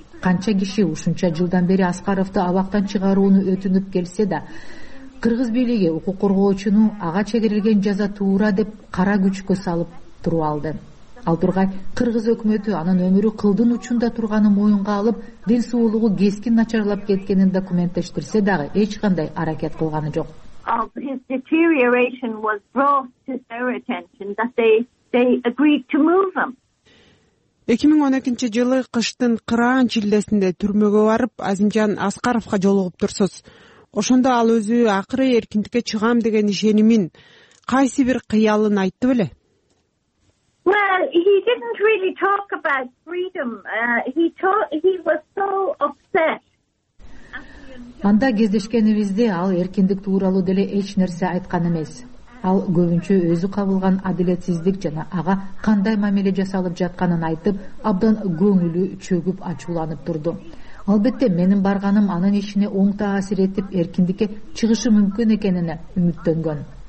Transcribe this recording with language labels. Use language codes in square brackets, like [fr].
[ky] Канча киши ушунча жылдан бери Аскаровду абактан чыгарууну өтүнүп келсе да, кыргыз бийлиги укук коргоочуну ага чегерилген жаза туура деп кара күчкө салып туруп алды. Ал тургай кыргыз өкмөтү анын өмүрү кылдын учунда турганын моюнга алып, ден соолугу кескин начарлап кеткенин документтештирсе дагы эч кандай аракет кылганы жок. [en] His deterioration was brought to their attention that they agreed to move him. [ky] 2012 жылы кыштын кыраан чилдесинде түрмөгө барып, Азимжан Аскаровго жолугуп турсуз. Ошондо ал өзү акыры эркиндикке чыгам деген ишенимин, кайсы бир кыялын айтты беле? [en] Well, he didn't really talk about freedom. He was so upset. [ky] Анда кездешкенибизде ал эркиндик тууралуу деле эч нерсе айткан эмес. Ал көбүнчө өзү кабылган адилетсиздик жана ага кандай мамиле жасалып жатканын айтып, абдан көңүлү чөгүп ачууланып турду. Албетте, менин барганым анын ишине оң таасир этип, эркиндикке чыгышы мүмкүн экенине үмүттөнгөн.